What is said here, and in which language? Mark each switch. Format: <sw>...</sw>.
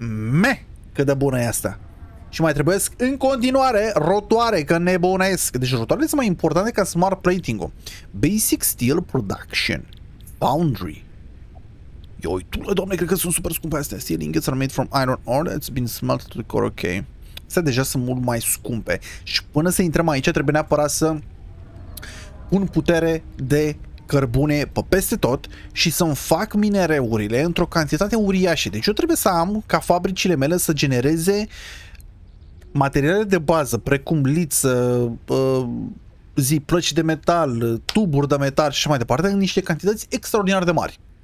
<ro>Meh, cât de bună e asta. Și mai trebuiesc în continuare rotoare, că nebunesc. Deci rotoarele sunt mai importante ca smart plating-ul. Basic steel production. Foundry. Ia uite, doamne, cred că sunt super scumpe astea.</ro> <en>Steel ingots are made from iron ore, it's been smelted to the core, ok.</en> <ro>Astea deja sunt mult mai scumpe. Și până să intrăm aici, trebuie neapărat să pun putere de cărbune pe peste tot și să-mi fac minereurile într-o cantitate uriașă. Deci eu trebuie să am ca fabricile mele să genereze materiale de bază, precum liță, zi, plăci de metal, tuburi de metal și mai departe, în niște cantități extraordinar de mari.</ro>